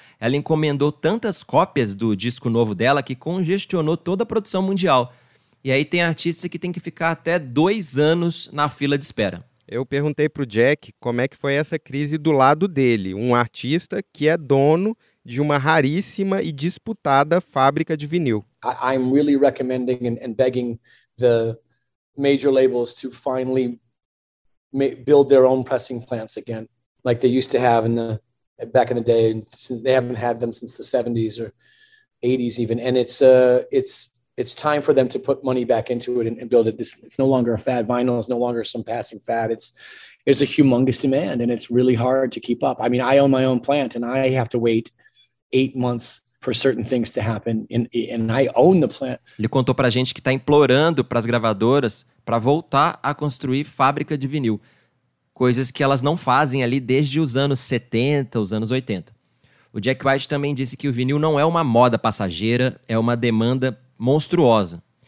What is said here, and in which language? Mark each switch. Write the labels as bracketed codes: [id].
[pt] Ela encomendou tantas cópias do disco novo dela que congestionou toda a produção mundial. E aí tem artista que tem que ficar até 2 anos na fila de espera. Eu perguntei pro Jack como é que foi essa crise do lado dele, um artista que é dono de uma raríssima e disputada fábrica de vinil. [en] I'm really recommending and begging the major labels to finally build their own pressing plants again, like they used to have in the back in the day. And they haven't had them since the 70s or 80s even. And it's time for them to put money back into it and build it. It's no longer a fad. Vinyl is no longer some passing fad. There's a humongous demand and it's really hard to keep up. I mean, I own my own plant and I have to wait 8 months for certain things to happen. And I own the plant. [pt] Ele contou pra gente que tá implorando pras gravadoras pra voltar a construir fábrica de vinil. Coisas que elas não fazem ali desde os anos 70, os anos 80. O Jack White também disse que o vinil não é uma moda passageira, é uma demanda monstruosa.